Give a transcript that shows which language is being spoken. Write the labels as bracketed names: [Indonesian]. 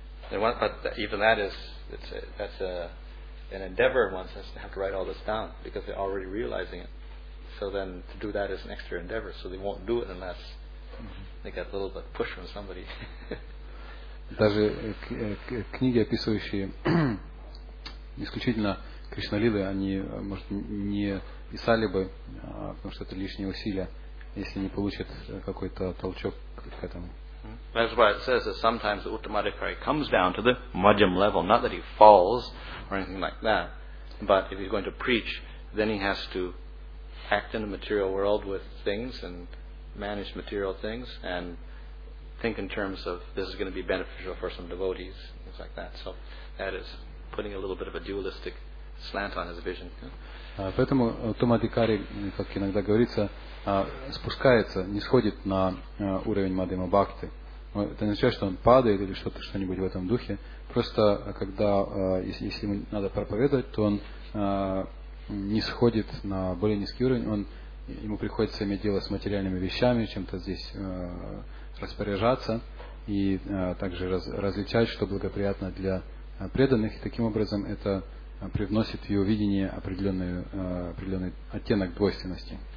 [English] But even that is, that's an endeavor one has to have to write all this down because they're already realizing it. So then to do that is an extra endeavor, so they won't do it unless they get a little bit push from somebody. [Russian] Даже книги, описывающие исключительно Кришналилы, они, может, не писали бы, потому что это лишние усилия, если не получат какой-то толчок к этому. [English] That's why it says that sometimes the Uttama Adhikari comes down to the Madhyam level, not that he falls or anything like that, but if he's going to preach, then he has to act in the material world with things and manage material things and think in terms of this is going to be beneficial for some devotees, things like that. So that is putting a little bit of a dualistic slant on his vision. [Russian] Поэтому Uttama Adhikari, как иногда говорится, спускается, нисходит на уровень Мадхьяма Бхакти. Это не означает, что он падает или что-нибудь в этом духе. Просто когда, если ему надо проповедовать, то он не сходит на более низкий уровень, ему приходится иметь дело с материальными вещами, чем-то здесь распоряжаться и также различать, что благоприятно для преданных. И таким образом это привносит в его видение определенный оттенок двойственности.